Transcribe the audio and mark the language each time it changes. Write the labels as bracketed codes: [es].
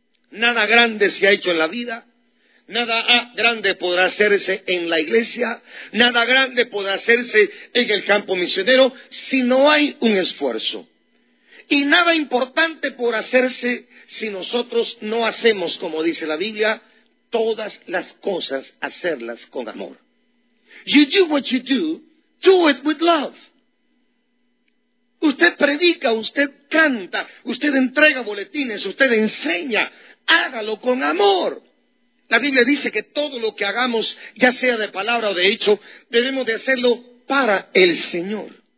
[es] Nada grande se ha hecho en la vida, nada grande podrá hacerse en la iglesia, nada grande podrá hacerse en el campo misionero si no hay un esfuerzo. Y nada importante por hacerse si nosotros no hacemos, como dice la Biblia, todas las cosas, hacerlas con amor. [en] You do what you do, do it with love. [es] Usted predica, usted canta, usted entrega boletines, usted enseña, hágalo con amor. La Biblia dice que todo lo que hagamos, ya sea de palabra o de hecho, debemos de hacerlo para el Señor.